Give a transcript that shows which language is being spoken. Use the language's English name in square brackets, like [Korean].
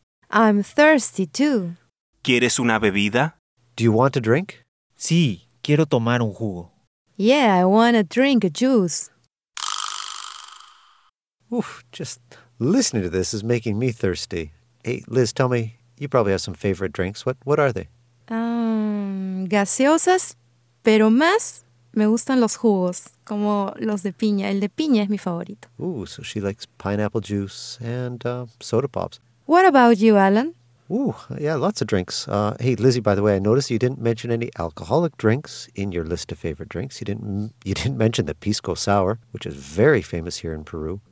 [English] I'm thirsty too. [Spanish] ¿Quieres una bebida? [English] Do you want a drink? [Spanish] Sí, quiero tomar un jugo. [English] Yeah, I want to drink a juice. Oof, just listening to this is making me thirsty. Hey, Liz, tell me. You probably have some favorite drinks. What are they? [Spanish] Gaseosas, pero más me gustan los jugos, como los de piña. El de piña es mi favorito. [English] Ooh, so she likes pineapple juice and soda pops. What about you, Alan? Ooh, yeah, lots of drinks. Hey, Lizzie, by the way, I noticed you didn't mention any alcoholic drinks in your list of favorite drinks. You didn't mention the pisco sour, which is very famous here in Peru.